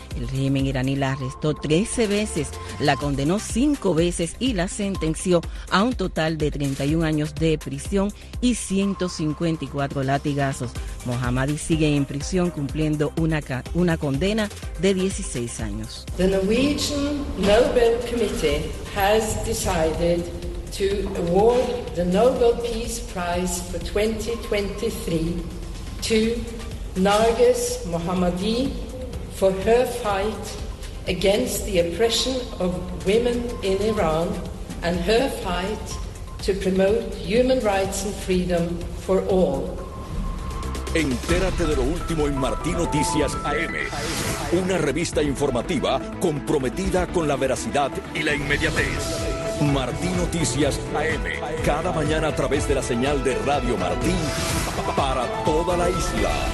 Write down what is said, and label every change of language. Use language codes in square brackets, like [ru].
[es] El régimen iraní la arrestó 13 veces, la condenó 5 veces y la sentenció a un total de 31 años de prisión y 154 latigazos. Mohammadi sigue en prisión cumpliendo una condena de 16 años. [en] The Norwegian Nobel Committee has decided to award the Nobel Peace Prize for 2023. To Narges Mohammadi for her fight against the oppression of women in Iran and her fight to promote human rights and freedom for all. [es] Entérate de lo último en Martí Noticias AM, una revista informativa comprometida con la veracidad y la inmediatez. Martí Noticias AM, cada mañana a través de la señal de Radio Martí para toda la isla.